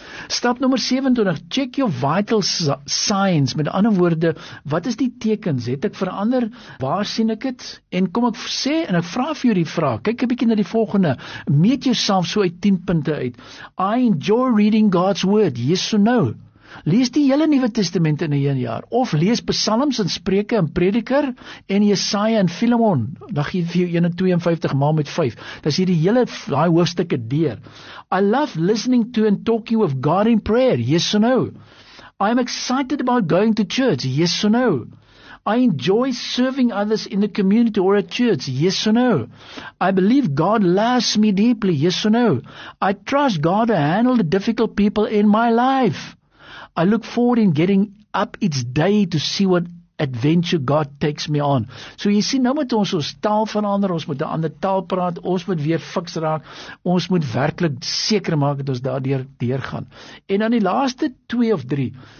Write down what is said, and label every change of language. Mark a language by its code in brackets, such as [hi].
[af] Stap nummer 27, [en] check your vital signs, [af] met ander woorde, wat is die tekens, het ek verander, waar sien ek het, en kom ek sê, en ek vraag vir jou die vraag, kyk een bykie na die volgende, meet jouself so uit 10 punte uit, [en] I enjoy reading God's word, yes or no? [af] Lees die hele Nuwe Testament in 'n jaar, of lees Psalms en Spreuke en Prediker en Jesaja en Filemon, dan gee vir jou 52 maal met 5, dis hierdie hele daai hoofstukke deur. [en] I love listening to and talking with God in prayer, yes or no? I am excited about going to church, yes or no? I enjoy serving others in the community or at church, yes or no? I believe God loves me deeply, yes or no? I trust God to handle the difficult people in my life. I look forward in getting up each day to see what adventure God takes me on. [af] So jy sien, nou moet ons taal verander, ons moet 'n ander taal praat, ons moet weer fiks raak, ons moet werklik seker maak dat ons daardeur deurgaan. En dan die laaste 2 of 3,